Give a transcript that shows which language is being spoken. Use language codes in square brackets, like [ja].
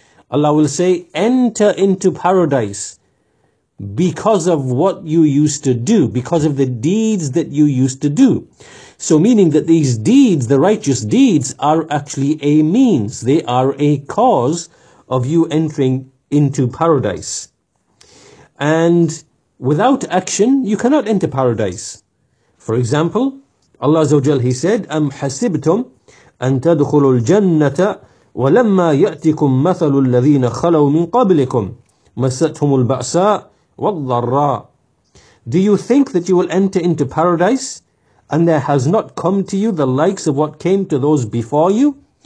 [en] Allah will say, enter into paradise because of what you used to do, because of the deeds that you used to do. So meaning that these deeds, the righteous deeds, are actually a means. They are a cause of you entering into paradise. And without action, you cannot enter paradise. For example, Allah Azza wa Jal, he said, [ar] أَمْ حَسِبْتُمْ أَن تَدْخُلُوا الْجَنَّةَ وَلَمَّا يَأْتِكُمْ مَثَلُ الَّذِينَ خَلَوْا مِن قَبْلِكُمْ مَسَّتْهُمُ الْبَأْسَاءُ وَالضَّرَّاءُ. [en] Do you think that you will enter into paradise and there has not come to you the likes of what came to those before you?